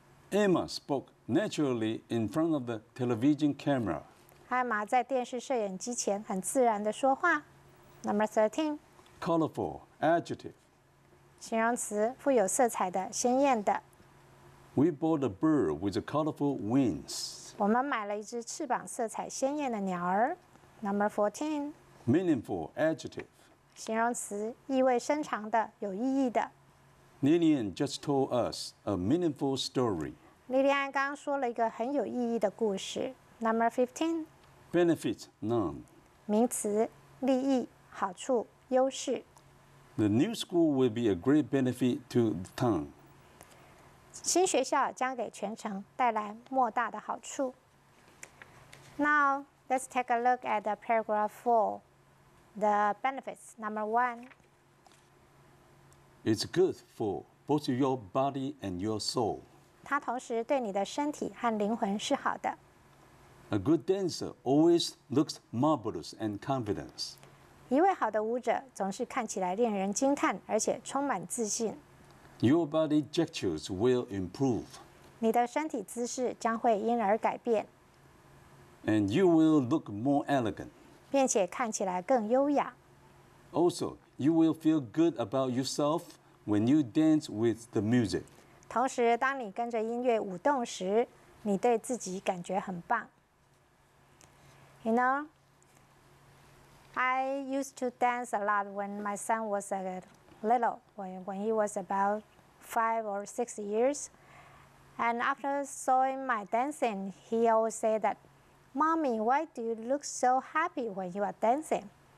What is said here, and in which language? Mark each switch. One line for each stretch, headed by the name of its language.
English: Emma spoke naturally in front of the television camera.
Chinese: 艾玛在电视摄影机前很自然地说话。
English: Number 13. Colorful, adjective.
Chinese: 形容词，富有色彩的，鲜艳的。
English: We bought a bird with colorful wings.
Chinese: 我们买了一只翅膀色彩鲜艳的鸟儿。
English: Number 14. Meaningful, adjective.
Chinese: 形容词，意味深长的，有意义的。
English: Lillian just told us a meaningful story.
Chinese: Lillian 刚说了一个很有意义的故事。
English: Number 15. Benefits, noun.
Chinese: 名词，利益、好处、优势。
English: The new school will be a great benefit to the town.
Chinese: 新学校将给全城带来莫大的好处。
English: Now, let's take a look at the paragraph 4. The benefits, number 1. It's good for both your body and your soul.
Chinese: 它同时对你的身体和灵魂是好的。
English: A good dancer always looks marvelous and confident.
Chinese: 一位好的舞者总是看起来令人惊叹，而且充满自信。
English: Your body gestures will improve.
Chinese: 你的身体姿势将会因而改变。
English: And you will look more elegant.
Chinese: 并且看起来更优雅。
English: Also,You will feel good about yourself when you dance with the music.
Chinese: 同时，当你跟着音乐舞动时，你对自己感觉很棒。
English: You know, I used to dance a lot when my son was little, when he was about 5 or 6 years. And after seeing my dancing, he always said that, Mommy, why do you look so happy when you are dancing?